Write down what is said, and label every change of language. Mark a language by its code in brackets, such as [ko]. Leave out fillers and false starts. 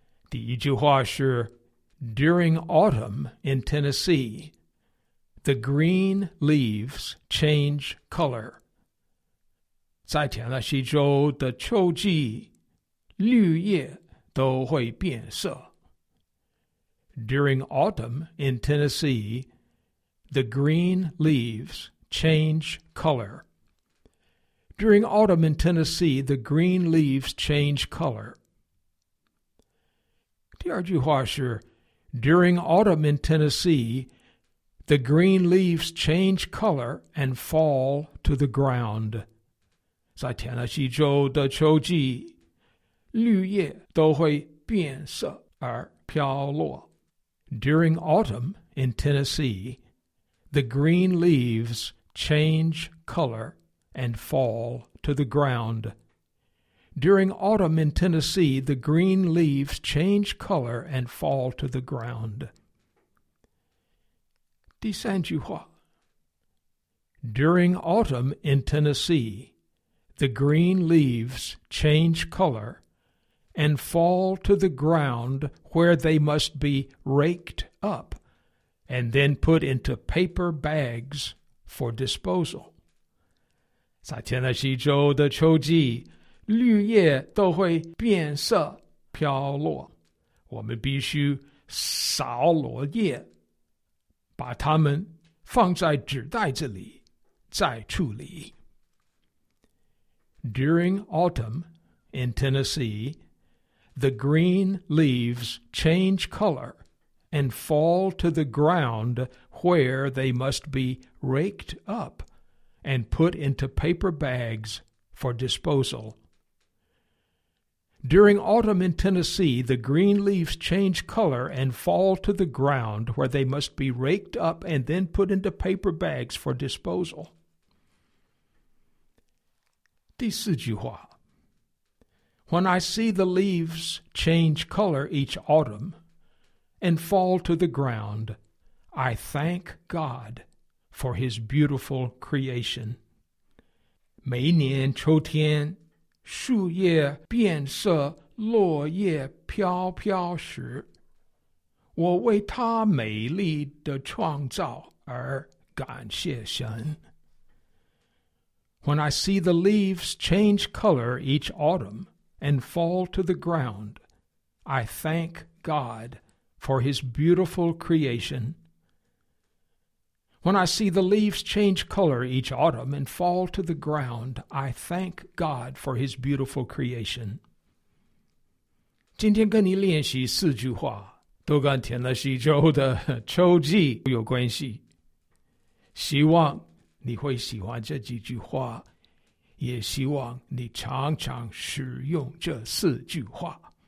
[zh] 第一句话是 [en] During autumn in Tennessee, the green leaves change color. [zh] 在田纳西州的秋季，绿叶都会变色。 [en] During autumn in Tennessee, the green leaves change color. During autumn in Tennessee, the green leaves change color. [zh] 第二句话是 [en] During autumn in Tennessee, the green leaves change color and fall to the ground. [zh] 在田纳西州的秋季，绿叶都会变色而飘落。 [en] During autumn in Tennessee, the green leaves change color and fall to the ground. During autumn in Tennessee, the green leaves change color and fall to the ground. [zh] 第三句话。 [en] During autumn in Tennessee, the green leaves change color and fall to the ground where they must be raked up and then put into paper bags for disposal. [zh] 在田纳西州的秋季，绿叶都会变色飘落。我们必须扫落叶，把它们放在纸袋子里，再处理。 [en] During autumn in Tennessee, the green leaves change color and fall to the ground where they must be raked up and put into paper bags for disposal. During autumn in Tennessee, the green leaves change color and fall to the ground where they must be raked up and then put into paper bags for disposal. [zh] 第四句话。 [en] When I see the leaves change color each autumn and fall to the ground, I thank God for His beautiful creation. [zh] 每年秋天，树叶变色，落叶飘飘时，我为它美丽的创造而感谢神。 [en] When I see the leaves change color each autumn, and fall to the ground, I thank God for His beautiful creation. When I see the leaves change color each autumn and fall to the ground, I thank God for His beautiful creation. [zh] 今天跟你练习四句话，都跟田纳西州的秋季有关系。希望你会喜欢这几句话。也希望你常常使用这四句话。